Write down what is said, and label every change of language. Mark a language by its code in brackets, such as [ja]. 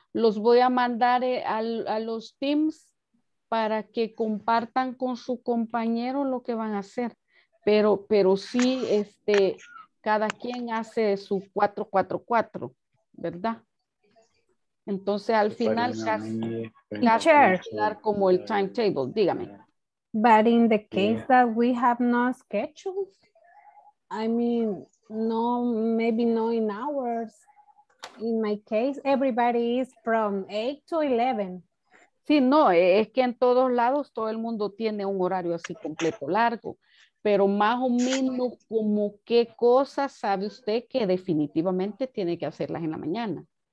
[es] Los voy a mandar a los teams para que compartan con su compañero lo que van a hacer. Pero sí, cada quien hace su 4-4-4, ¿verdad? Entonces, al final, casi quedar como el timetable, dígame. [en] But in the case that we have no schedules, I mean, no, maybe no in hours. In my case, everybody is from 8 to 11. [es] Sí, no, es que en todos lados todo el mundo tiene un horario así completo largo, pero más o menos como qué cosas sabe usted que definitivamente tiene que hacerlas en la mañana.